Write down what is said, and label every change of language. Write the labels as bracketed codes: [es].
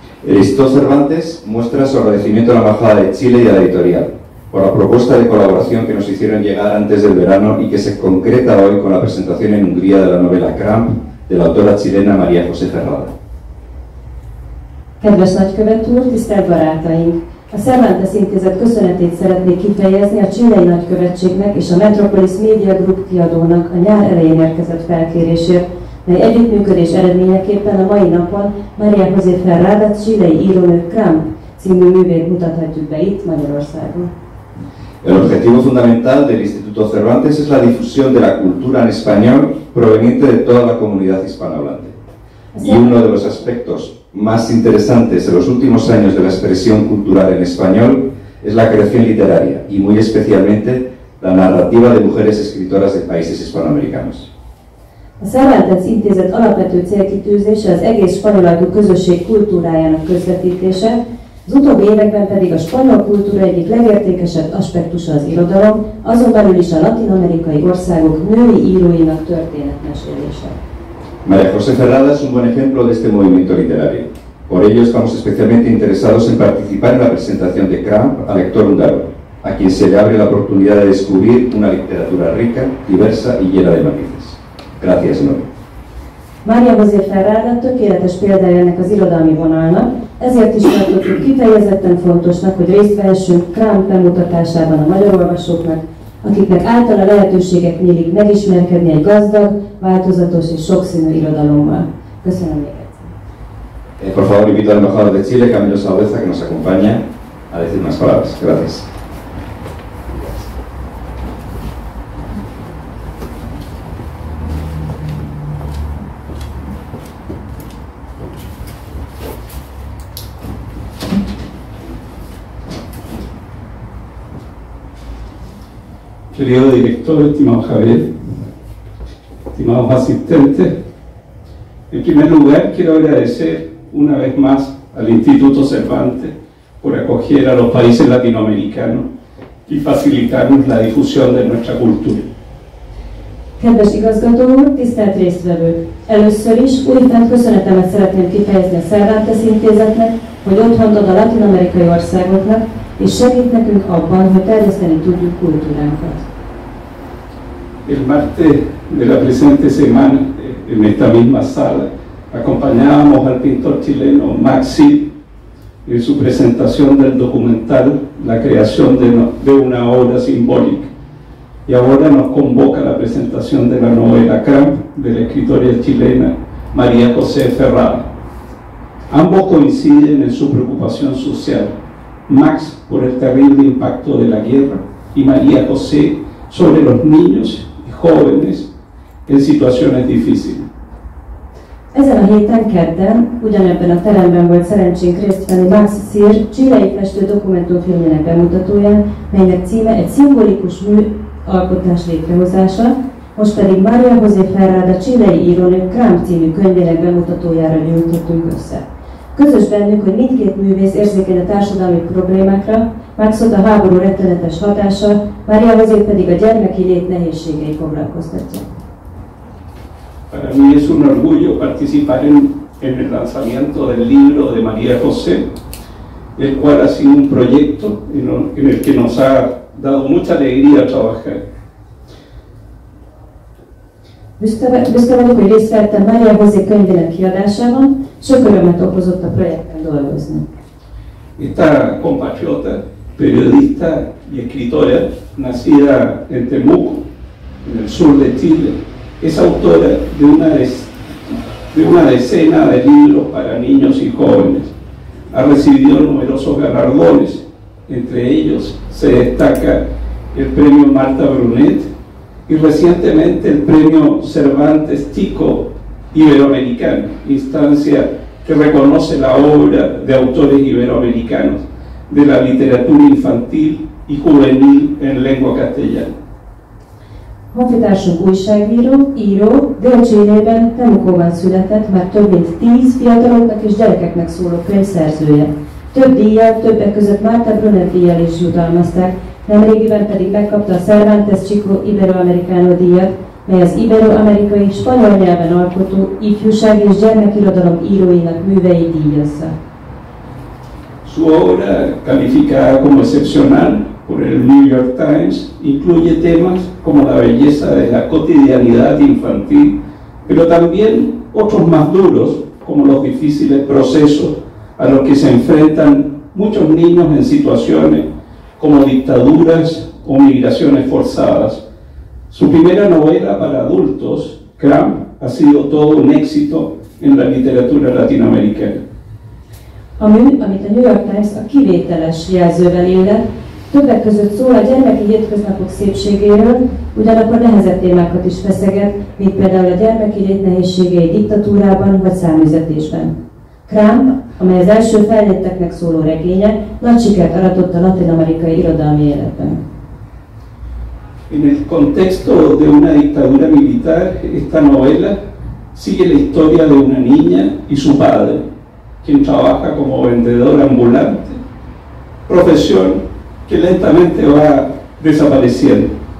[es] Eristo Cervantes muestra su agradecimiento a la Embajada de Chile y a la editorial por la propuesta de colaboración que nos hicieron llegar antes del verano y que se concreta hoy con la presentación en Hungría de la novela Cramp de la autora chilena María José Ferrada. [hu] Kedves nagykövet úr, tisztelt barátaink! A Cervantes intézet köszönetét szeretnék kifejezni a chilei nagykövetségnek és a Metropolis Media Group kiadónak a nyár elején érkezett felkérésért, mely együttműködés eredményeképpen a mai napon María José Ferrada chilei írónő Cramp című művét mutathatjuk be itt Magyarországon. [es] El objetivo fundamental del Instituto Cervantes es la difusión de la cultura en español proveniente de toda la comunidad hispanohablante. Y uno de los aspectos más interesantes de los últimos años de la expresión cultural en español es la creación literaria y muy especialmente la narrativa de mujeres escritoras de países hispanoamericanos. [hu] A Cervantes intézet alapvető célkitűzése az egész spanyol ajkú közösség kultúrájának közvetítése, az utóbbi években pedig a spanyol kultúra egyik legértékesebb aspektusa az irodalom, azon belül is a latin-amerikai országok női íróinak történetmesélése. [es] María José Ferrada es un buen ejemplo de este movimiento literario. Por ello estamos especialmente interesados en participar en la presentación de Cramp al lector húngaro, a quien se le abre la oportunidad de descubrir una literatura rica, diversa y llena de matices. Gracias, María. [hu] María José Ferrada tökéletes példája ennek az irodalmi vonalnak, ezért is tartottuk kifejezetten fontosnak, hogy részt vehessünk Cramp bemutatásában a magyar olvasóknak, akiknek által a lehetőségek nyílik megismerkedni egy gazdag, változatos és sokszínű irodalommal. Köszönöm még egyszer. [es] Por favor, invito al embajador de Chile, Camilo Salveza, que nos acompaña a decir más palabras. Gracias. Querido director, estimado Javier, estimados asistentes, en primer lugar quiero agradecer una vez más al Instituto Cervantes por acoger a los países latinoamericanos y facilitarnos la difusión de nuestra cultura. [hu] Kedves igazgató úr, tisztelt résztvevő! Először is újfent köszönetemet szeretném kifejezni a Cervantes intézetnek, hogy otthont ad a latin-amerikai országoknak, és segít nekünk abban, hogy terjeszteni tudjuk kultúránkat. [es] El martes de la presente semana, en esta misma sala, acompañábamos al pintor chileno Maxi en su presentación del documental La creación de una obra simbólica. Y ahora nos convoca la presentación de la novela Cramp de la escritora chilena María José Ferrada. Ambos coinciden en su preocupación social, Max por el terrible impacto de la guerra y María José sobre los niños jóvenes en situaciones difíciles. [hu] Ezen a héten kedden, ugyanebben a teremben volt szerencsénk részt venni Max Szír chilei festő dokumentumfilmjének bemutatóján, melynek címe egy szimbolikus műalkotás létrehozása, most pedig María José Ferrada chilei írónő Cramp című könyvének bemutatójára gyűjtöttünk össze. Közös bennük, hogy mindkét művész érzékeny a társadalmi problémákra, Maxot a háború rettenetes hatása, María José pedig a gyermeki lét nehézségei foglalkoztatja. [es] Para mí es un orgullo participar en el lanzamiento del libro de María José, el cual ha sido un proyecto en el que nos ha dado mucha alegría trabajar. [hu] Büszke vagyok, hogy részt vettem María José könyvének kiadásában, sok örömet okozott a projekten dolgozni. [es] Esta compatriota, periodista y escritora, nacida en Temuco, en el sur de Chile, es autora de una decena de libros para niños y jóvenes. Ha recibido numerosos galardones, entre ellos se destaca el premio Marta Brunet y recientemente el premio Cervantes Chico Iberoamericano, instancia que reconoce la obra de autores iberoamericanos de la literatura infantil y juvenil en lengua castellana. [hu] Honfitársunk újságíró, író, Délcsényében, Temukóban született, már több mint 10 fiataloknak és gyerekeknek szóló könyvszerzője. Több díjjal, többek között Márta Brunner díjjal is jutalmazták, nemrégiben pedig megkapta a Cervantes Chico Iberoamericano díjat, mely az iberoamerikai, spanyol nyelven alkotó, ifjúság és gyermekirodalom íróinak művei díjazza. [es] Su obra, calificada como excepcional por el New York Times, incluye temas como la belleza de la cotidianidad infantil, pero también otros más duros, como los difíciles procesos a los que se enfrentan muchos niños en situaciones como dictaduras o migraciones forzadas. Su primera novela para adultos, Cramp, ha sido todo un éxito en la literatura latinoamericana. [hu] A mű, amit a New York Times a kivételes jelzővel illet, többek között szól a gyermeki hétköznapok szépségéről, ugyanakkor nehezebb témákat is feszeget, mint például a gyermeki lét nehézségei diktatúrában vagy száműzetésben. Cramp, amely az első felnőtteknek szóló regénye, nagy sikert aratott a latin-amerikai irodalmi életben. [es] En el contexto de una dictadura militar, esta novela sigue la historia de una niña y su padre, quien trabaja como vendedor ambulante, profesión que lentamente va desapareciendo.